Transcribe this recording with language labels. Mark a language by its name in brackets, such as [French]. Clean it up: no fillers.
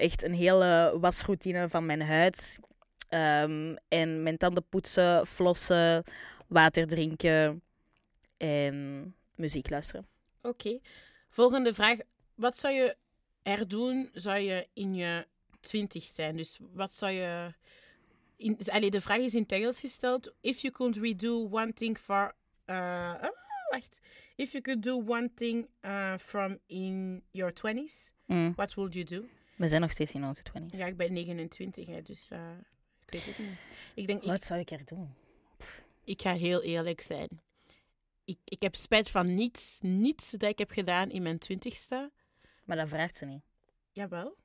[Dutch] Echt een hele wasroutine van mijn huid. En mijn tanden poetsen, flossen, water drinken en muziek luisteren. Oké. Volgende vraag. Wat zou je herdoen, zou je in je 20 zijn? Dus wat zou je... de vraag is in het Engels gesteld. [English] If you could redo one thing for... If you could do one thing from in your 20s, what would you do? [Dutch] We zijn nog steeds in onze 20s. Ja, ik ben 29, hè, dus... ik weet het niet. Wat zou ik er doen? Ik ga heel eerlijk zijn. Ik heb spijt van niets dat ik heb gedaan in mijn 20ste. Maar dat vraagt ze niet. Jawel.